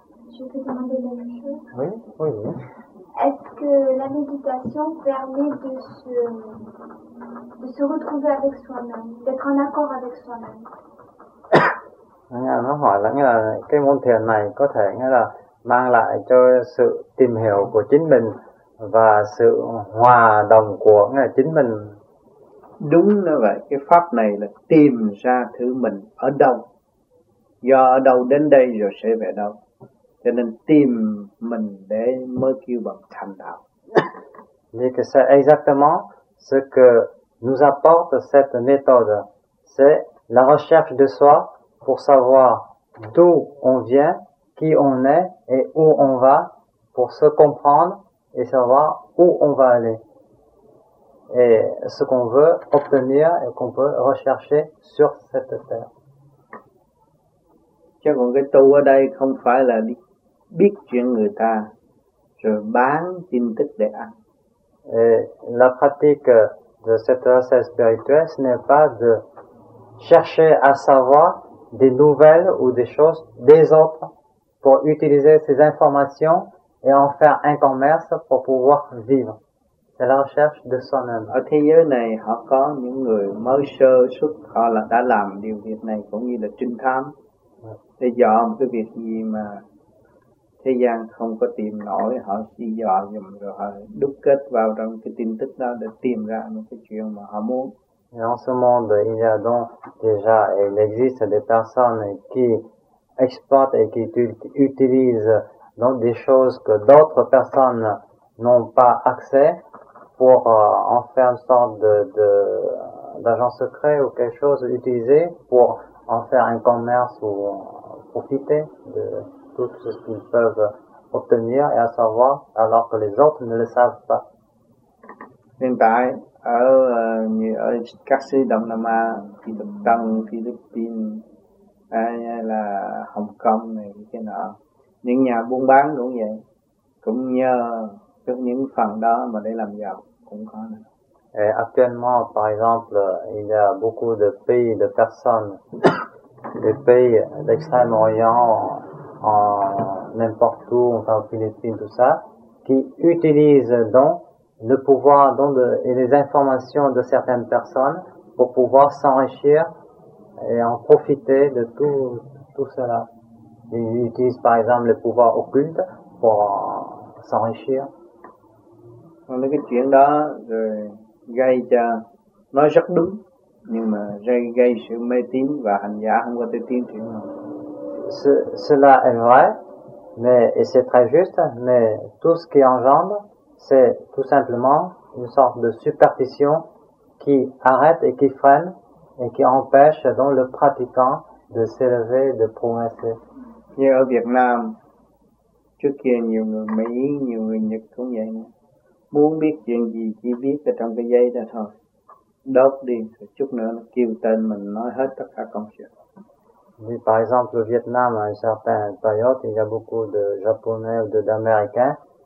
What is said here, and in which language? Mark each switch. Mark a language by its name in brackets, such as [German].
[French] Je peux demander la même chose? Oui, oui. Est-ce que la méditation permet de se retrouver avec soi-même, d'être en accord avec soi-même? [Vietnamese] Nghĩa là nó hỏi là nghĩa là cái môn thiền này có thể nghĩa là mang lại cho sự tìm hiểu của chính mình và sự hòa đồng của nghĩa là chính mình. Đúng như vậy, cái pháp này là tìm ra thứ mình ở đâu, do ở đâu đến đây rồi sẽ về đâu. Cho nên tìm mình để mới kêu bằng thành đạo. [French] Dit que c'est exactement ce que nous apporte cette méthode. C'est la recherche de soi pour savoir d'où on vient, qui on est et où on va, pour se comprendre et savoir où on va aller. et ce qu'on veut obtenir et qu'on peut rechercher sur cette terre. [Vietnamese] Chứ còn cái tu ở đây không phải là đi biết chuyện người ta rồi bán tin tức để ăn. [French] Et la pratique de cette recette spirituelle, ce n'est pas de chercher à savoir des nouvelles ou des choses des autres pour utiliser ces informations et en faire un commerce pour pouvoir vivre. C'est la recherche de soi-même. [Vietnamese] Ở thế giới này, họ có những người mới sơ xuất, họ là đã làm điều việc này cũng như là trinh thám. Để dò một cái việc gì mà thế gian không có tìm nổi, họ đi dò dùm rồi họ đúc kết vào trong cái tin tức đó để tìm ra một cái chuyện mà họ muốn. [French] Et en ce monde, il y a donc déjà, il existe des personnes qui exploitent et qui utilisent donc des choses que d'autres personnes n'ont pas accès pour en faire une sorte d'agent secret ou quelque chose utilisé pour en faire un commerce ou profiter de tout ce qu'ils peuvent obtenir et à savoir alors que les autres ne le savent pas. [Vietnamese] Ở các xứ Đông Nam Á, Phi Tập Tân, Philippines, hay là Hồng Kông này, cái nọ. Những nhà buôn bán cũng vậy, cũng nhờ những phần đó mà để làm giàu, cũng có. [French] Et actuellement, par exemple, il y a beaucoup de pays, de personnes, des pays d'Extrême-Orient, n'importe où, enfin aux Philippines, tout ça, qui utilisent donc le pouvoir donc et les informations de certaines personnes pour pouvoir s'enrichir et en profiter de tout cela. Ils utilisent par exemple les pouvoirs occultes pour s'enrichir. [Vietnamese] Là cái chuyện đó rồi gây cho nói rất đúng nhưng mà gây sự mê tín và hành giả không có thể tin chuyện nào. [French] Cela est vrai mais et c'est très juste mais tout ce qui engendre c'est tout simplement une sorte de superstition qui arrête et qui freine et qui empêche donc le pratiquant de s'élever, de progresser. [Vietnamese] Như ở Việt Nam, trước kia nhiều người Mỹ, nhiều người Nhật cũng vậy nè. Muốn biết chuyện gì chỉ biết ở trong cái giấy đó thôi. Đốt đi, chút nữa nó kêu tên mình nói hết tất cả công chuyện. [French] Oui, par exemple, au Vietnam, à une certaine période, il y a beaucoup de Japonais ou d'Américains.